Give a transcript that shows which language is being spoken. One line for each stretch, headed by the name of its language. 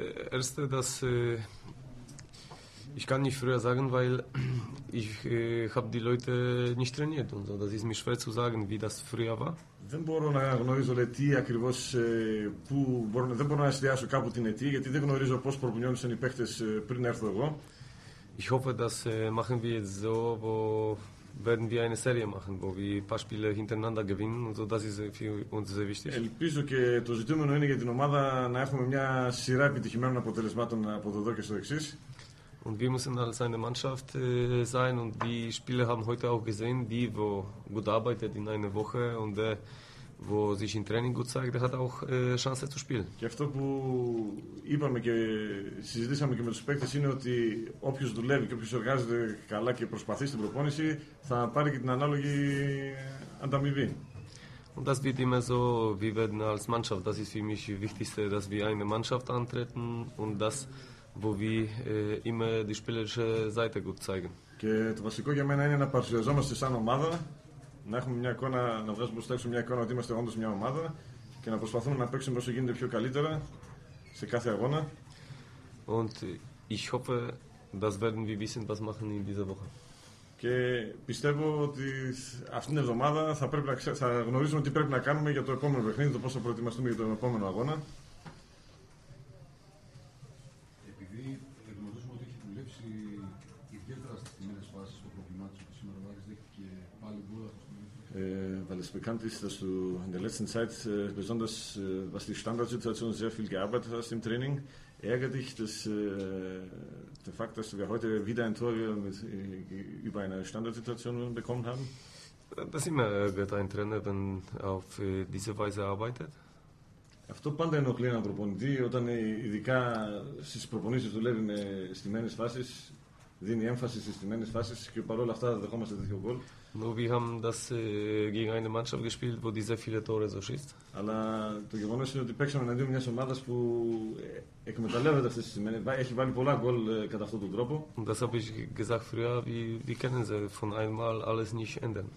German: Erste, dass. Ich kann nicht früher sagen, weil ich habe die Leute nicht trainiert und so. Das ist mir schwer zu sagen, wie das früher war.
Greek: Δεν μπορώ να γνωρίζω τι ακριβώς που μπορώ, δεν μπορώ να εστιάσω κάπου την αιτία, γιατί δεν γνωρίζω πώς προπονιόντουσαν οι παίχτες πριν έρθω εγώ.
German: Ich hoffe, dass machen wir jetzt so, wo werden wir eine Serie machen, wo wir ein paar Spiele hintereinander gewinnen. Und so, das ist für uns sehr wichtig.
Greek: Ελπίζω και το ζητούμενο είναι για την ομάδα να έχουμε μια σειρά επιτυχημένων αποτελεσμάτων από εδώ και στο εξής.
German: Und wir müssen als eine Mannschaft sein und die Spieler haben heute auch gesehen, die, wo gut arbeitet in einer Woche und der, wo sich im Training gut zeigt, der hat auch Chance zu spielen.
Greek: Και αυτό που είπαμε και συζητήσαμε και με τους παίκτες είναι ότι όποιος δουλεύει και όποιος εργάζεται καλά και προσπαθεί στην προπόνηση θα πάρει και την ανάλογη ανταμοιβή.
German: Und das wird immer so, wir werden als Mannschaft, das ist für mich das Wichtigste, dass wir eine Mannschaft antreten und das wo wir immer die spielerische Seite gut zeigen.
Greek: Και το βασικό για μένα είναι να παρουσιαζόμαστε σαν ομάδα, να έχουμε μια εικόνα, να βγάζουμε προς τα έξω μια εικόνα ότι είμαστε όντως μια ομάδα και να προσπαθούμε να παίξουμε όσο γίνεται πιο καλύτερα σε κάθε αγώνα.
German: Und ich hoffe, das werden wir wissen, was machen in dieser Woche.
Greek: Και πιστεύω ότι αυτήν την εβδομάδα θα, θα γνωρίζουμε τι πρέπει να κάνουμε για το επόμενο παιχνίδι, το πώς θα προετοιμαστούμε για τον επόμενο αγώνα.
German: Weil es bekannt ist, dass du in der letzten Zeit besonders was die Standardsituation sehr viel gearbeitet hast im Training, ärgert dich das, der Fakt, dass wir heute wieder ein Tor mit, über eine Standardsituation bekommen haben? Das immer ärgert ein Trainer, wenn er auf diese Weise arbeitet.
Greek: Αυτό πάντα ενοχλεί έναν προπονητή, όταν ειδικά στις προπονήσεις δουλεύει με στημένες φάσεις, δίνει έμφαση στις στημένες φάσεις και παρόλα αυτά δεχόμαστε τέτοιο γκολ.
German: Nur wir haben das gegen eine Mannschaft gespielt, wo die sehr viele Tore so schießt.
Greek: Αλλά το γεγονός είναι ότι παίξαμε εναντίον μιας ομάδας που εκμεταλλεύεται αυτές τις στιγμές. Έχει βάλει πολλά γκολ κατά αυτόν τον τρόπο.
German: Und das habe ich gesagt früher, wir können sie von einmal alles nicht ändern.